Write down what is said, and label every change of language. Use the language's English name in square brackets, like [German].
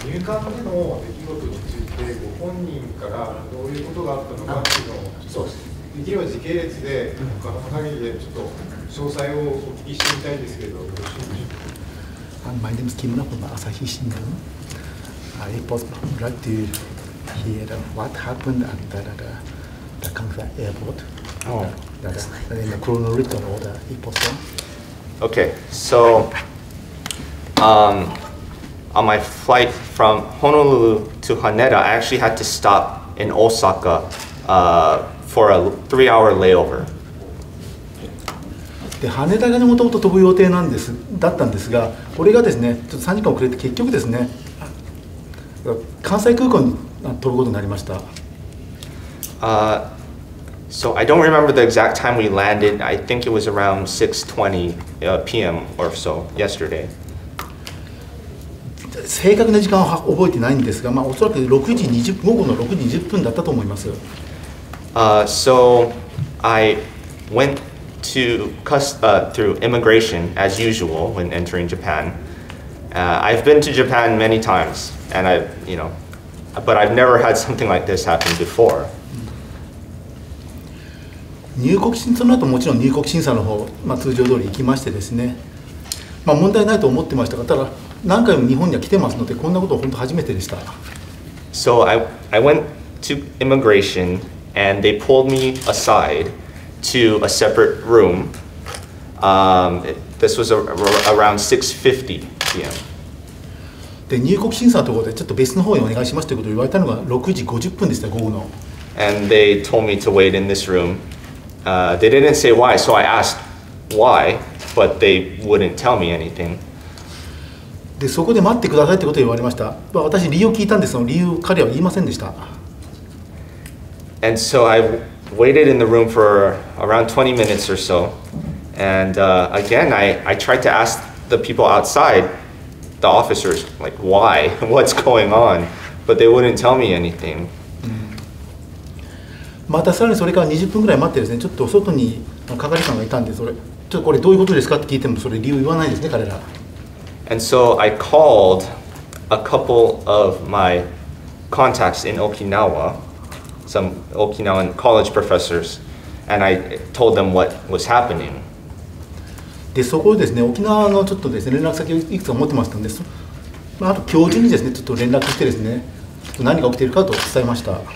[Japanese] その入管での出来事についてご本人からどういうことがあったのかっていうのをちょっとできれば時系列で他の限りでちょっと詳細をお聞きしてみたいんですけど、よろしいでしょうか。 [English] My name is Kim Na, from Asahi Shimbun. I was glad to hear what happened at the Kansai airport. In the chronological order, it was done. Okay, so on my flight from Honolulu to Haneda, I actually had to stop in Osaka for a 3-hour layover. [Japanese] で羽田がもともと飛ぶ予定なんですだったんですが、これがですね、ちょっと3時間遅れて結局ですね、関西空港に飛ぶことになりました。 [English] So I don't remember the exact time we landed. I think it was around 6:20 p.m. or so yesterday. [Japanese] 正確な時間は覚えてないんですが、まあおそらく午後の6時20分だったと思います。 [English] So I went. To through immigration as usual when entering Japan. I've been to Japan many times, and but I've never had something like this happen before. [Japanese] 入国審査の後もちろん入国審査の方、まあ、通常通り行きましてですね、まあ、問題ないと思ってましたが、ただ何回も日本には来てますので、こんなこと本当初めてでした。 [English] So I went to immigration, and they pulled me aside. To a separate room. This was around 6:50 p.m. [Japanese] で入国審査のところでちょっと別の方にお願いしますということを言われたのが6時50分でした午後の。 [English] And they told me to wait in this room. They didn't say why, so I asked why, but they wouldn't tell me anything. [Japanese] でそこで待ってくださいということを言われました。まあ、私理由を聞いたんですが、理由彼は言いませんでした。 [English] And so I. Waited in the room for around 20 minutes or so, and again I tried to ask the people outside, the officers, like why, what's going on, but they wouldn't tell me anything. [Japanese] またさらにそれから20分ぐらい待ってですね、ちょっと外に係官がいたんで、それちょっとこれどういうことですかって聞いてもそれ理由言わないですね彼ら。 [English] And so I called a couple of my contacts in Okinawa. Some Okinawan college professors, and I told them what was happening. [Japanese] で、そこでですね、沖縄のちょっとですね、連絡先をいくつか持ってましたんです。まあ、あと教授にですね、ちょっと連絡してですね、ちょっと何が起きているかと伝えました。